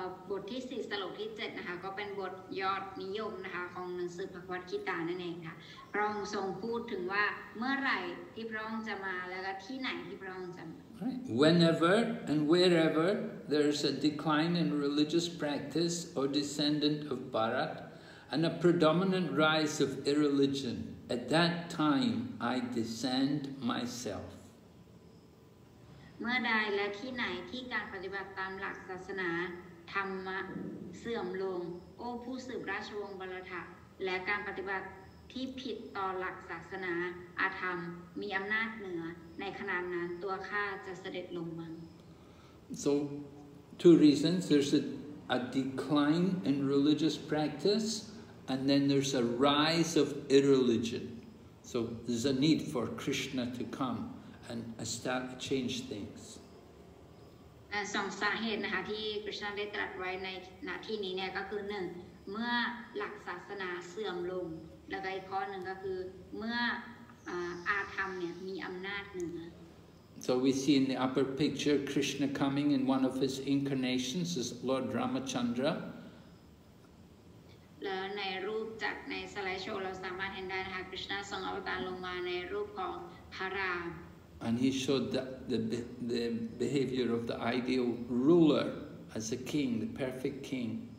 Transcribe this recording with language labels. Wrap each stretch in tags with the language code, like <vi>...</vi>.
<th>บทที่4สโลกที่7นะคะก็เป็นบทยอดนิยมนะคะของหนังสือพระวัดกีตานั่นเองค่ะพระองค์ทรงพูดถึงว่าเมื่อไหร่ที่พระองค์จะมาแล้วก็ที่ไหนที่พระองค์จะมา</th> <en>Whenever and wherever there's a decline in religious practice or descendant of Bharat and a predominant rise of irreligion at that time I descend myself</en> <th>เมื่อใดและที่ไหนที่การปฏิบัติตามหลักศาสนาธรรมะเสื่อมลงโอ้ผู้สืบราชวงศ์บัลลัคและการปฏิบัติที่ผิดต่อหลักศาสนาอาธรรมมีอำนาจเหนือในขณะนั้นตัวข้าจะเสด็จลงมา</th> <en>So two reasons there's a decline in religious practice and then there's a rise of irreligion so there's a need for Krishna to comeAnd start to change things.</en> <th>สองสาเหตุนะคะที่คริสต์ได้ตรัสไว้ในณที่นี้เนี่ยก็คือหนึ่งเมื่อหลักศาสนาเสื่อมลงแล้วก็อีกข้อหนึ่งก็คือเมื่ออาธรรมเนี่ยมีอำนาจเหนือ</th> <en>So we see in the upper picture Krishna coming in one of his incarnations as Lord Ramachandra.</en> <th>แล้วในรูปจากในสไลด์โชว์เราสามารถเห็นได้นะคะคริสต์ทรงอวตารลงมาในรูปของพระราม</th> <en>And he showed the behavior of the ideal ruler as a king, the perfect king.</en>